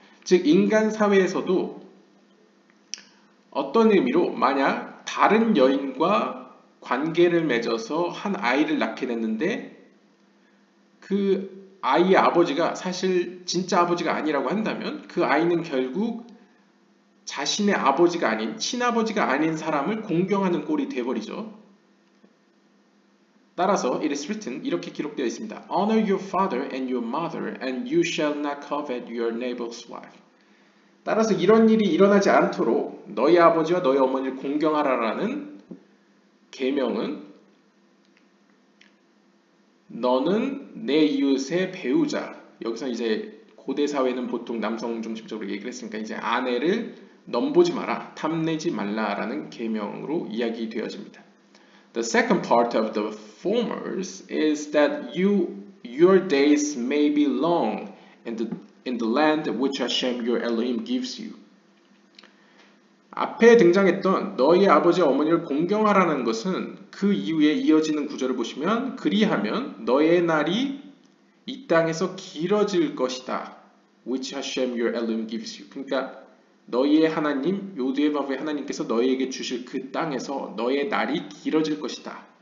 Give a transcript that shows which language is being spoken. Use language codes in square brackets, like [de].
[ko] 즉 인간 사회에서도 어떤 의미로 만약 다른 여인과 관계를 맺어서 한 아이를 낳게 됐는데 그 아이의 아버지가 사실 진짜 아버지가 아니라고 한다면 그 아이는 결국 자신의 아버지가 아닌 친아버지가 아닌 사람을 공경하는 꼴이 되어버리죠. 따라서 [en] it is written [ko] 이렇게 기록되어 있습니다. [en] Honor your father and your mother and you shall not covet your neighbor's wife. [ko] 따라서 이런 일이 일어나지 않도록 너희 아버지와 너희 어머니를 공경하라라는 계명은 너는 내 이웃의 배우자 여기서 이제 고대 사회는 보통 남성 중심적으로 얘기를 했으니까 이제 아내를 넘보지 마라 탐내지 말라라는 계명으로 이야기 되어집니다. [en] The second part of the former is that your days may be long in the land which Hashem your Elohim gives you. [ko] 앞에 등장했던 너희 아버지 어머니를 공경하라는 것은 그 이후에 이어지는 구절을 보시면 그리하면 너의 날이 이 땅에서 길어질 것이다. [en] Which Hashem your Elohim gives you. [ko] 그러니까 너희의 하나님 요드에바브의 하나님께서 너희에게 주실 그 땅에서 너의 날이 길어질 것이다.